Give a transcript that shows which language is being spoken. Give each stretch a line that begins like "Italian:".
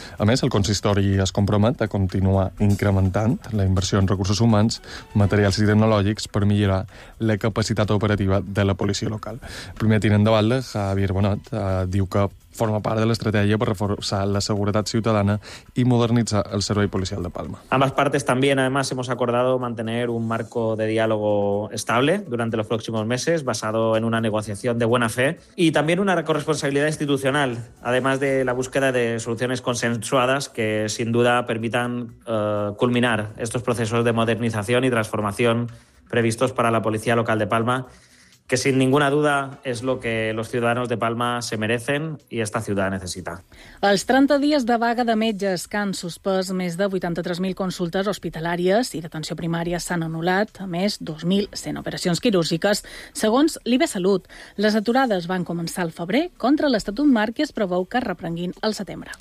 Catalan: A més, el consistori es compromet a continuar incrementant la inversió en recursos humans, materials i tecnològics per millorar la capacitat operativa de la policia local. Primer tinent de balda, Javier Bonot, diu que forma part de l'estratègia per reforçar la seguretat ciutadana
Spanish: y modernizar
Catalan: el servei policial de Palma.
Spanish: Ambas partes también, además, hemos acordado mantener un marco de diálogo estable durante los próximos meses, basado en una negociación de buena fe y también una corresponsabilidad institucional, además de la búsqueda de soluciones consensuadas que, sin duda, permitan culminar estos procesos de modernización y transformación previstos para la policía local de Palma, que sin ninguna duda es lo que los ciudadanos de Palma se merecen y esta ciudad necesita.
Catalan: Els 30 dies de vaga de metges que han suspès més de 83.000 consultes hospitalàries i d'atenció primària s'han anul·lat, a més, 2.100 operacions quirúrgiques. Segons l'IBE Salut, les aturades van començar al febrer contra l'Estatut Marc que es preveu que reprenguin al setembre.